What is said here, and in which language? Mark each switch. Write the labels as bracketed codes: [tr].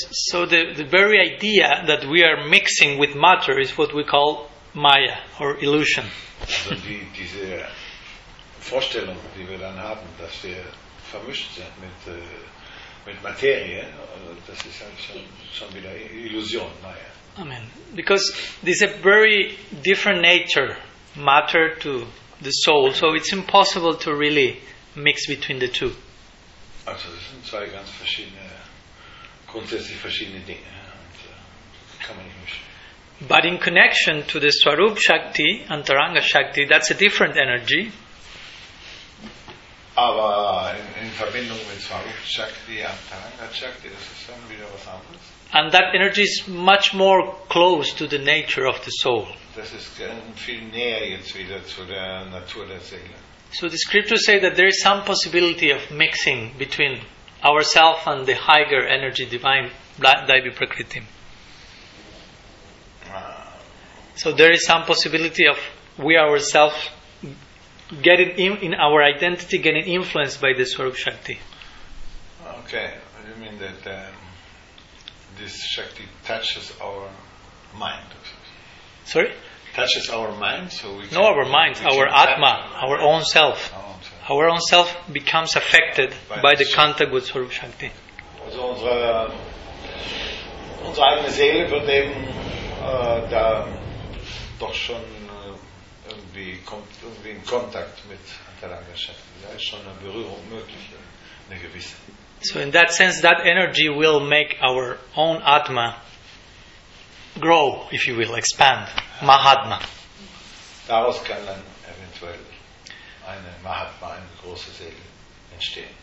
[en] So the very idea that we are mixing with matter is what we call Maya or illusion. [de] Also die, diese Vorstellung, die wir dann haben, dass wir vermischt sind mit Materie, das ist halt schon wieder Illusion, Maya. Amen. [en] Because this is a very different nature, matter to the soul, so it's impossible to really mix between the two. [de] Also das sind zwei ganz verschiedene, grundsätzlich verschiedene Dinge. Und, kann man nicht mischen. [en] But in connection to the Swarup-Shakti, Antaranga-Shakti, that's a different energy. [de] Aber in Verbindung mit Swarup-Shakti, Antaranga-Shakti, das ist dann wieder was anderes. [en] And that energy is much more close to the nature of the soul. [de] Das ist viel näher jetzt wieder zu der Natur der Seele. [en] So the scriptures say that there is some possibility of mixing between ourselves and the higher energy, divine Daivi-prakriti. So there is some possibility of we ourselves getting in our identity, getting influenced by the Swarup-Shakti. Okay, you mean that this Shakti touches our mind? Sorry? Touches our mind, so we no, our mind, our Atma, our own self. Our own self becomes affected by the contact with Swarup-Shakti. [de] Also unsere eigene Seele wird eben da doch schon irgendwie, kommt irgendwie in Kontakt mit Antaranga-Shakti. Da ist schon eine Berührung möglich, eine gewisse. [en] So in that sense, that energy will make our own Atma grow, if you will, expand, ja. Mahatma. [de] Daraus kann dann eventuell eine Mahatma, eine große Seele entstehen.